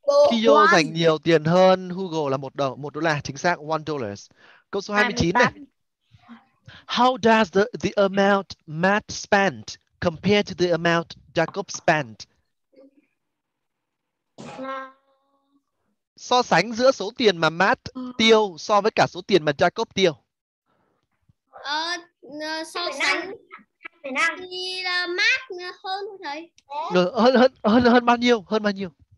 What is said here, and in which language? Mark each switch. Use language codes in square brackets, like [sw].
[vi] Kyo dành nhiều tiền hơn Hugo là $1. Chính xác. $1. Câu số 29 này. [en] How does the amount Matt spent compared to the amount Jacob spent? [vi] So sánh giữa số tiền mà Matt tiêu so với cả số tiền mà Jacob tiêu. So sánh thì là Matt hơn thôi thầy. Hơn bao nhiêu? Hơn bao nhiêu?